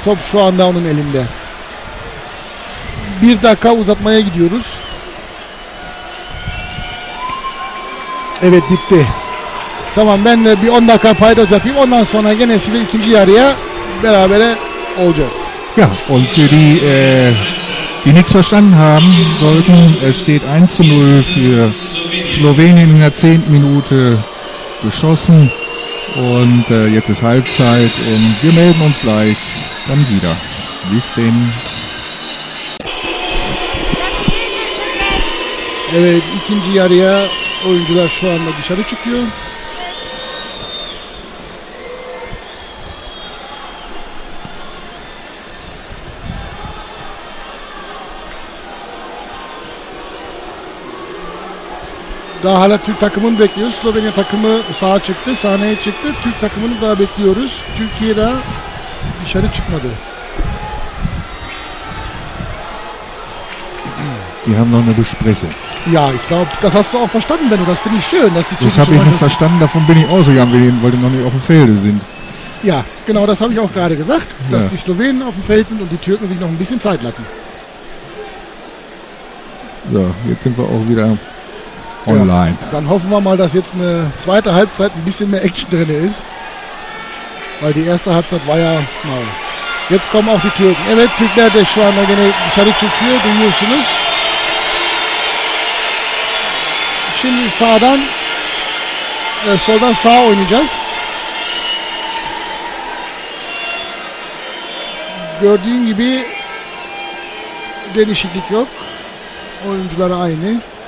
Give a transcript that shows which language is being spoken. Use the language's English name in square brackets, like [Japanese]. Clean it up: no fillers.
[Turkish] Top şu anda onun elinde. Bir dakika uzatmaya gidiyoruz. Evet, bitti. Tamam, ben de bir 10 dakika payda yapayım. Ondan sonra yine size ikinci yarıya berabere olacağız. [German] Ja, und für die nichts verstanden haben sollten, es steht 1-0 für Slowenien in der 10. Minute geschossen. Und jetzt ist Halbzeit und wir melden uns gleich dann wieder. Bis denn. [Turkish] Evet, ikinci yarıya oyuncular şu anda dışarı çıkıyor. Daha hala Türk takımını bekliyoruz. Slovenya takımı sağa çıktı, sahneye çıktı. Türk takımını daha bekliyoruz. Türkiye daha dışarı çıkmadı. [German] Die haben noch eine Besprechung. Ja, ich glaube, das hast du auch verstanden, Benno. Das finde ich schön, dass die Türkei. Das habe ich nicht verstanden, davon bin ich ausgegangen, weil die noch nicht auf dem Felde sind. Ja, genau, das habe ich auch gerade gesagt, dass ja. Die Slowenen auf dem Feld sind und die Türken sich noch ein bisschen Zeit lassen. So, jetzt sind wir auch wieder online. Ja, dann hoffen wir mal, dass jetzt eine zweite Halbzeit ein bisschen mehr Action drin ist. Weil die erste Halbzeit war ja mal. Jetzt kommen auch die Türken. [Turkish] Evet, Türkler, [German] der Schwan, der Schalitschukür, du hier schon ist. [Turkish] Şimdi sağdan soldan sağa oynayacağız. Gördüğün gibi değişiklik yok. Oyuncular aynı.